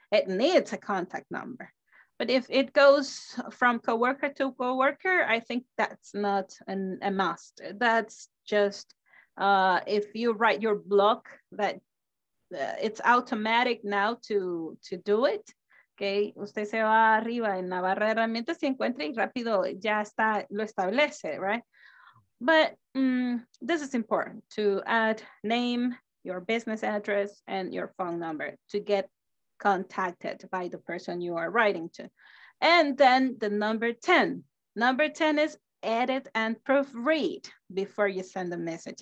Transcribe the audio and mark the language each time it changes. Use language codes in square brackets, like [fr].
[en] It needs a contact number. But if it goes from coworker to coworker, I think that's not a must. That's just if you write your block, that it's automatic now to do it. [es] Okay, usted se va arriba en la barra de herramientas y encuentra y rápido ya está, lo establece, right? [en] But this is important to add name, your business address, and your phone number to get contacted by the person you are writing to. And then the number 10. Number 10 is edit and proofread before you send a message.